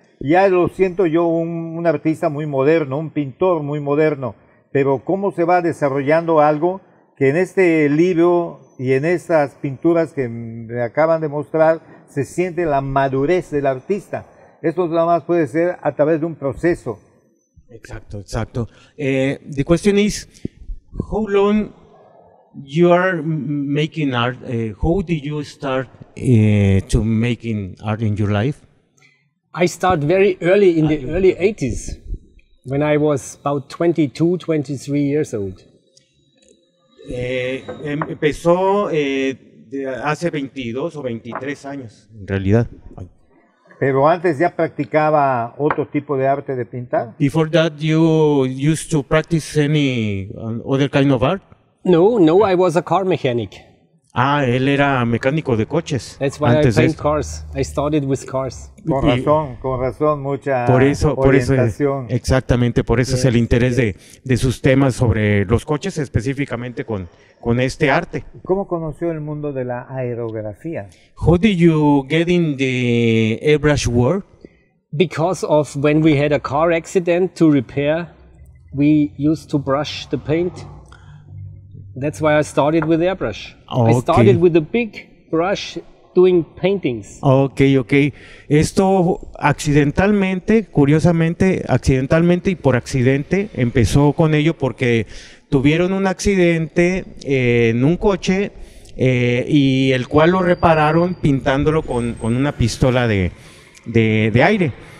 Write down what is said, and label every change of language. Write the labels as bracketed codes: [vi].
[es] Ya lo siento yo un artista muy moderno, un pintor muy moderno, pero ¿cómo se va desarrollando algo que en este libro y en estas pinturas que me acaban de mostrar se siente la madurez del artista? Esto nada más puede ser a través de un proceso. Exacto, exacto. [en] The question is, how long you are making art? How did you start to making art in your life? I start very early, in the early 80s. When I was about 22, 23 years old. [es] Empezó hace 22 o 23 años, en realidad. Pero antes ya practicaba otro tipo de arte de pintar. [en] Before that, you used to practice any other kind of art? No, no, I was a car mechanic. [es] Ah, él era mecánico de coches. [en] That's why [es] antes [en] I paint cars. I started with cars. [es] Con razón, mucha orientación. Por eso, exactamente, por eso es el interés de sus temas sobre los coches, específicamente con este arte. ¿Cómo conoció el mundo de la aerografía? [en] How did you get in the airbrush world? Because of when we had a car accident to repair, we used to brush the paint. That's why I started with airbrush. Okay. I started with a big brush doing paintings. Okay, okay. [es] Esto accidentalmente, curiosamente, accidentalmente y por accidente empezó con ello porque tuvieron un accidente en un coche y el cual lo repararon pintándolo con una pistola de aire.